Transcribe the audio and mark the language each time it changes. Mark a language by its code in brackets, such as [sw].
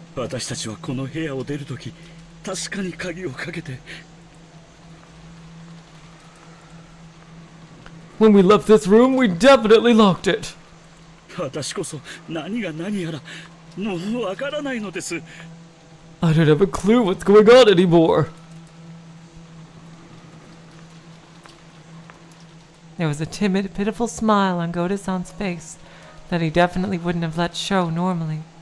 [ja] 私たちはこの部屋を出るとき, 確かに鍵をかけて… [en] When we left this room, we definitely locked it. [ja] 私こそ何が何やら… もうわからないのです。 [en] I don't have a clue what's going on anymore. There was a timid, pitiful smile on Goda-san's face that he definitely wouldn't have let show normally.